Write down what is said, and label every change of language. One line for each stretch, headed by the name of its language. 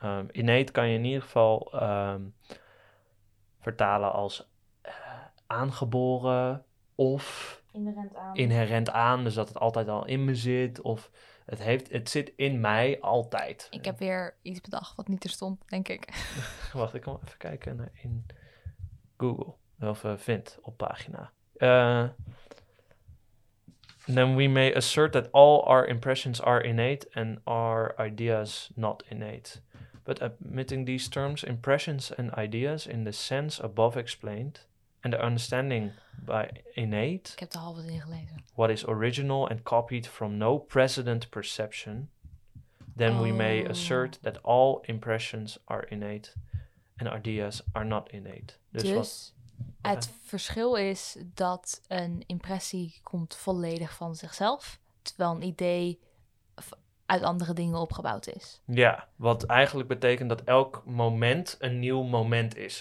Dutch: Innate kan je in ieder geval vertalen als aangeboren of... Inherent aan, dus dat het altijd al in me zit. Of het zit in mij altijd. Ik heb weer iets bedacht wat niet er stond, denk ik. Wacht, ik kan wel even kijken naar in Google. Of vind op pagina.
English: Then we may assert that all our impressions are innate and our ideas not innate. But admitting these terms, impressions and ideas in the sense above explained... And the understanding by innate...
Dutch: Ik heb de halve zin gelezen.
English: What is original and copied from no precedent perception... Then we may assert that all impressions are innate... And ideas are not innate.
Dutch: Dus het verschil is dat een impressie komt volledig van zichzelf... Terwijl een idee uit andere dingen opgebouwd is. Ja, wat eigenlijk betekent dat elk moment een nieuw moment is.